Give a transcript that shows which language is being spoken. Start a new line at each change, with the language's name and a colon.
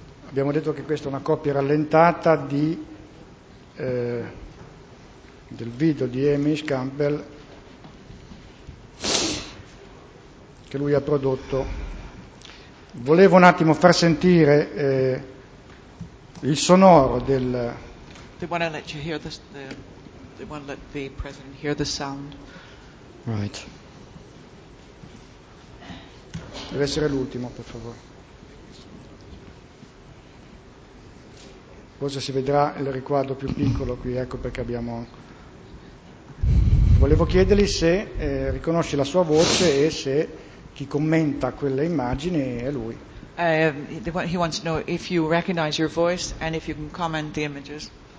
Italian: Abbiamo detto che questa è una copia rallentata di del video di Hamish Campbell che lui ha prodotto. Volevo un attimo far sentire il sonoro del
English: they want to let you hear this, they want to let the president hear the sound. Right.
Italian: Deve essere l'ultimo, per favore. Forse si vedrà il riquadro più piccolo qui, ecco perché abbiamo. Volevo chiedergli se riconosce la sua voce e se chi commenta quelle immagini è lui.
English: He wants to know if you recognize your voice and if you can comment the images.